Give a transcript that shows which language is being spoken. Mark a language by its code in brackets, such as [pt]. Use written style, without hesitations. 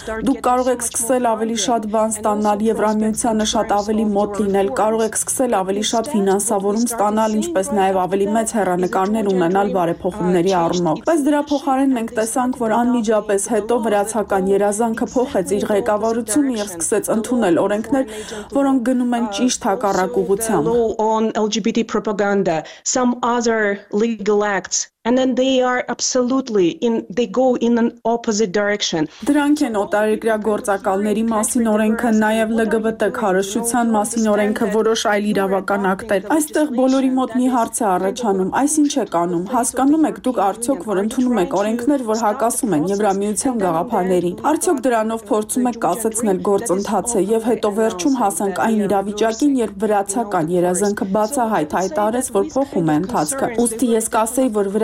[hy] Դուք կարող եք սկսել ավելի շատ բան ստանալ, Եվրամիությանը շատ ավելի մոտ լինել, կարող եք սկսել ավելի շատ ֆինանսավորում ստանալ, ինչպես նաև ավելի մեծ հեռանկարներ ունենալ բարեփոխումների առումով։ Բայց դրա փոխարեն մենք տեսանք, որ անմիջապես հետո վրացական երազանքը փոխեց իր ղեկավարությունը եւ սկսեց ընդունել օրենքներ, որոնք գնում են ճիշտ հակառակողությամբ։ [en] Some other legal acts. And then they are absolutely in they go in an opposite direction. [hy] Դրանք են օտարերկրագործակալների մասին օրենքը, նաև ԼԳԲՏ քարոշության մասին օրենքը, որոշ այլ իրավական ակտեր։ Այստեղ բոլորի մոտ մի հարց է առաջանում. Այս ինչ է կանում։ Հասկանում եք դուք արդյոք, որ ընդունում եք օրենքներ, որ հակասում են Եվրամիության գաղափարներին։ Արդյոք դրանով փորձում եք կասեցնել գործընթացը եւ հետո վերջում հասանք այն իրավիճակին, երբ վրացական երազանքը բացահայտ հայտարարեց, որ փոխում է ընթացքը։ Ուստի ես կասեի, որ